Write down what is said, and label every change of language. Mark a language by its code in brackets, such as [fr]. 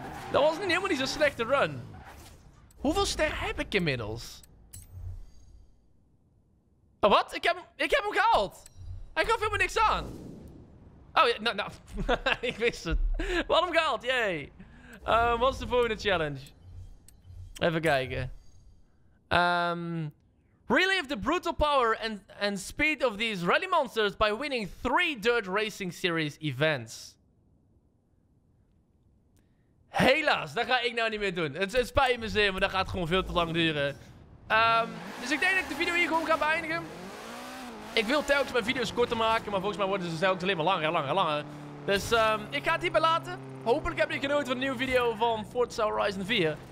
[nl] Dat was helemaal niet zo'n slechte run. Hoeveel sterren heb ik inmiddels? Oh, wat? Ik heb hem gehaald. Hij gaf helemaal niks aan. Oh, ja, nou, ik wist het. We hadden hem gehaald, yay. Wat is de volgende challenge? Even kijken. [en] Relive the brutal power and speed of these rally monsters by winning 3 Dirt Racing Series events. [nl] Helaas, dat ga ik nou niet meer doen. Het spijt me zeer, maar dat gaat gewoon veel te lang duren. Dus ik denk dat ik de video hier gewoon ga beëindigen. Ik wil telkens mijn video's korter maken, maar volgens mij worden ze telkens alleen maar langer en langer en langer. Dus ik ga het hierbij laten. Hopelijk heb je genoten van de nieuwe video van Forza Horizon 4.